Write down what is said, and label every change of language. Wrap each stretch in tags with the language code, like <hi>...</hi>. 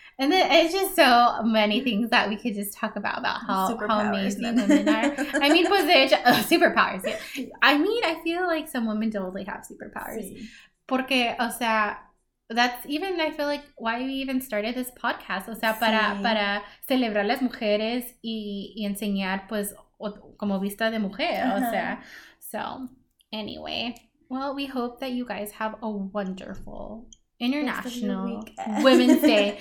<en>And then it's just so many things that we could just talk about how amazing women are. I mean,</en> <es>pues de hecho,</es> <en>superpowers. Yeah. I mean, I feel like some women totally have superpowers. Sí.</en> <es>Porque, o sea,</es> <en>that's even, I feel like, why we even started this podcast.</en> <es>O sea, para celebrar las mujeres y enseñar, pues, como vista de mujer.</es> <en>Uh-huh.</en> <es>O sea,</es> <en>so, anyway. Well, we hope that you guys have a wonderful International Women's Day.</en>